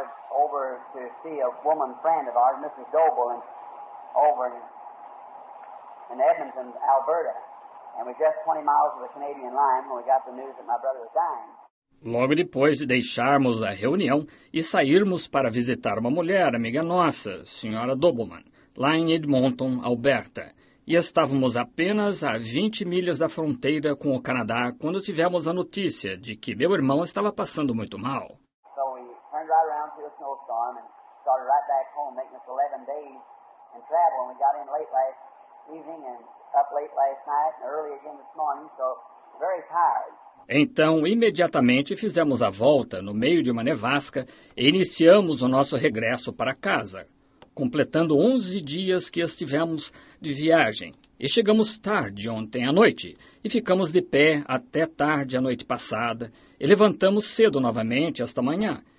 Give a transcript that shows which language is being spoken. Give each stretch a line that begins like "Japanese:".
English: Over to see a woman friend of ours, Mrs. Doble, over in Edmonton, Alberta. And we were just 20 miles from the Canadian line when we got the news that my brother was dying.
Portuguese: Logo depois de deixarmos a reunião e sairmos para visitar uma mulher amiga nossa, Sra. Doubleman, lá em Edmonton, Alberta, e estávamos apenas a 20 milhas da fronteira com o Canadá quando tivemos a notícia de que meu irmão estava passando muito mal.
English: So we turned right around to a snowstorm and started right back home, making us 11 days in travel. And we got in late last evening and up late last night and early again this morning, so very tired.
Portuguese: Então, imediatamente, fizemos a volta no meio de uma nevasca e iniciamos o nosso regresso para casa, completando 11 dias que estivemos de viagem. E chegamos tarde ontem à noite e ficamos de pé até tarde a noite passada e levantamos cedo novamente esta manhã.